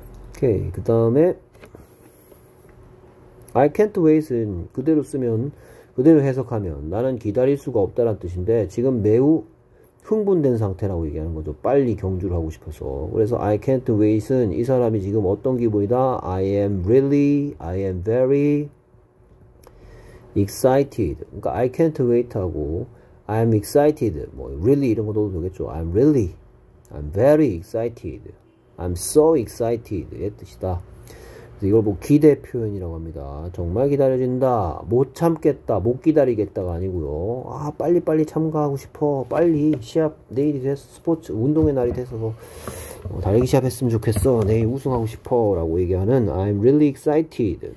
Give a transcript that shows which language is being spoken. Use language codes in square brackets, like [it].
[ko] 오케이 그 다음에 [en] I can't wait [ko] 은 그대로 쓰면, 그대로 해석하면 나는 기다릴 수가 없다란 뜻인데 지금 매우 흥분된 상태라고 얘기하는 거죠. 빨리 경주를 하고 싶어서. 그래서 [en] I can't wait [ko] 은 이 사람이 지금 어떤 기분이다? [en] I am really, I am very excited. [ko] 그러니까 [en] I can't wait [ko] 하고 [en] I am excited. [ko] 뭐, really 이런 거 넣어도 되겠죠. [en] I'm really, I'm very excited. I'm so excited [ko] 의 뜻이다. 이걸 뭐 기대 표현이라고 합니다. 정말 기다려진다. 못 참겠다. 못 기다리겠다가 아니고요. 아, 빨리빨리 참가하고 싶어. 빨리 시합 내일이 됐어. 스포츠 운동의 날이 됐어서 달리기 시합했으면 좋겠어. 내일 우승하고 싶어라고 얘기하는 [en] I'm really excited.